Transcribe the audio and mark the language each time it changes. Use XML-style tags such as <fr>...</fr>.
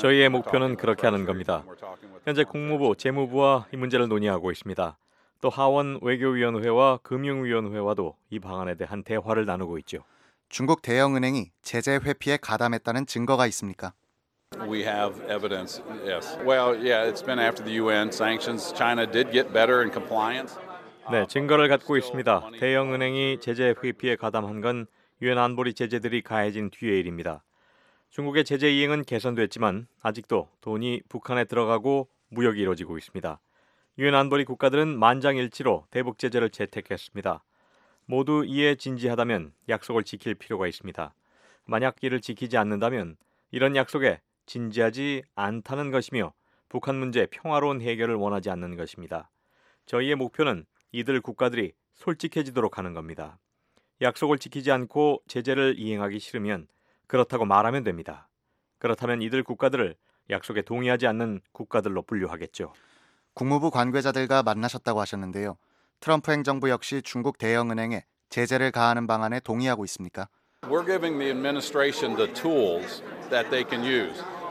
<ko>저희의 목표는 그렇게 하는 겁니다. 현재 국무부, 재무부와 이 문제를 논의하고 있습니다. 또 하원 외교위원회와 금융위원회와도 이 방안에 대한 대화를 나누고 있죠. 중국 대형은행이 제재 회피에 가담했다는 증거가 있습니까?</ko> <en>We have evidence. Yes. Well, yeah, it's been after the UN sanctions. China did get better in compliance.</en> <ko>네, 증거를 갖고 있습니다. 대형은행이 제재 회피에 가담한 건 유엔 안보리 제재들이 가해진 뒤의 일입니다. 중국의 제재 이행은 개선됐지만 아직도 돈이 북한에 들어가고 무역이 이루어지고 있습니다. 유엔 안보리 국가들은 만장일치로 대북 제재를 채택했습니다. 모두 이에 진지하다면 약속을 지킬 필요가 있습니다. 만약 이를 지키지 않는다면 이런 약속에 진지하지 않다는 것이며 북한 문제 평화로운 해결을 원하지 않는 것입니다. 저희의 목표는 이들 국가들이 솔직해지도록 하는 겁니다. 약속을 지키지 않고 제재를 이행하기 싫으면 그렇다고 말하면 됩니다. 그렇다면 이들 국가들을 약속에 동의하지 않는 국가들로 분류하겠죠. 국무부 관계자들과 만나셨다고 하셨는데요. 트럼프 행정부 역시 중국 대형은행에 제재를 가하는 방안에 동의하고 있습니까?</ko> <en>We're giving the administration the tools that they can use.</en>